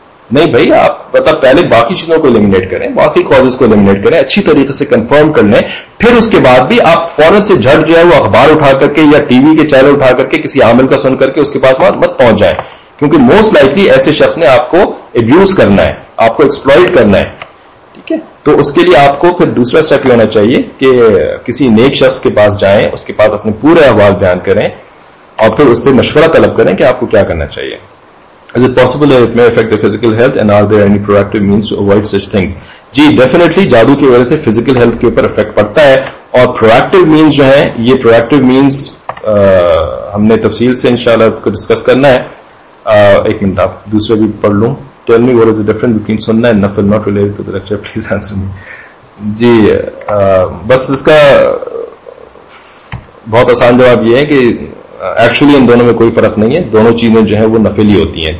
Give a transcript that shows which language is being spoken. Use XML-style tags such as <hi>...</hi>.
<ur>نہیں بھائی, آپ مطلب پہلے باقی چیزوں کو الیمینیٹ کریں, باقی کازز کو الیمینیٹ کریں, اچھی طریقے سے کنفرم کر لیں, پھر اس کے بعد بھی آپ فوراً سے جھٹ جو ہے وہ اخبار اٹھا کر کے یا ٹی وی کے چینل اٹھا کر کے کسی عامل کا سن کر کے اس کے پاس مت پہنچ جائیں, کیونکہ موسٹ لائکلی ایسے شخص نے آپ کو ابیوز کرنا ہے, آپ کو ایکسپلوئٹ کرنا ہے, ٹھیک ہے. تو اس کے لیے آپ کو پھر دوسرا اسٹیپ یہ ہونا چاہیے کہ کسی نیک شخص کے پاس جائیں, اس کے پاس اپنے پورے احوال بیان کریں اور پھر اس سے مشورہ طلب کریں کہ آپ کو کیا کرنا چاہیے.</ur> <en>Is it possible that it may affect the physical health and are there any proactive means to avoid such things?</en> <ur>جی definitely جادو کی وجہ سے physical health کے اوپر effect پڑتا ہے, اور proactive means جو ہے یہ proactive means ہم نے تفصیل سے انشاءاللہ آپ کو ڈسکس کرنا ہے. ایک منٹ آپ دوسرے بھی پڑھ لوں.</ur> <en>Tell me what is the difference between سننا and نفل, not related to the lecture, please answer me.</en> <ur>جی بس اس کا بہت آسان جواب یہ ہے کہ ایکچولی ان دونوں میں کوئی فرق نہیں ہے, دونوں چیزیں جو ہیں وہ نفل ہی ہوتی ہیں.</ur>